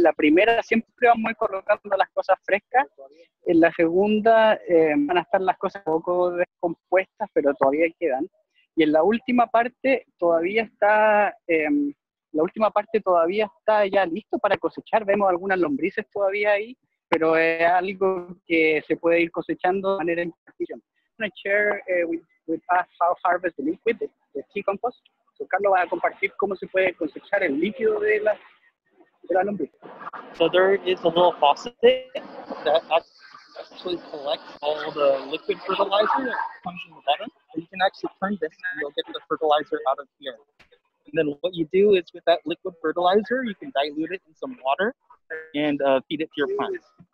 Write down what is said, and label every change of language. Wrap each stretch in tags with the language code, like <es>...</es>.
<es>En la primera siempre vamos a ir colocando las cosas frescas. En la segunda van a estar las cosas un poco descompuestas, pero todavía quedan. Y en la última parte todavía está... La última parte todavía está ya listo para cosechar. Vemos algunas lombrices todavía ahí, pero es algo que se puede ir cosechando de manera imprecisión.</es> <en>I'm going to share with us how harvest the liquid, the tea compost.</en> <es>So Carlos va a compartir cómo se puede cosechar el líquido de la lombriz.</es> <en>So there is a little faucet that actually collects all the liquid fertilizer that comes from the bottom. And you can actually turn this and you'll get the fertilizer out of here. And then what you do is with that liquid fertilizer, you can dilute it in some water and feed it to your plants.</en>